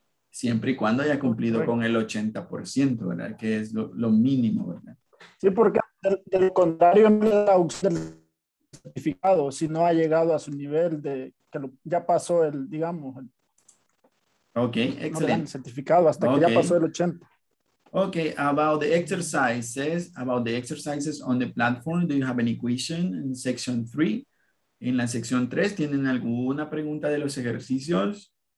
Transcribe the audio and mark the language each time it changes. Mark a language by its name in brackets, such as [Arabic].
[Spanish] Siempre y cuando haya cumplido con el 80%, ¿verdad? Que es lo mínimo, ¿verdad? Sí, porque del contrario no le da el certificado, si no ha llegado a su nivel de que ya pasó el, digamos. Ok, excelente. No certificado hasta que ya pasó el 80%. [English] Ok, about the exercises on the platform, do you have any question in section 3? [Spanish] En la sección 3, ¿tienen alguna pregunta de los ejercicios?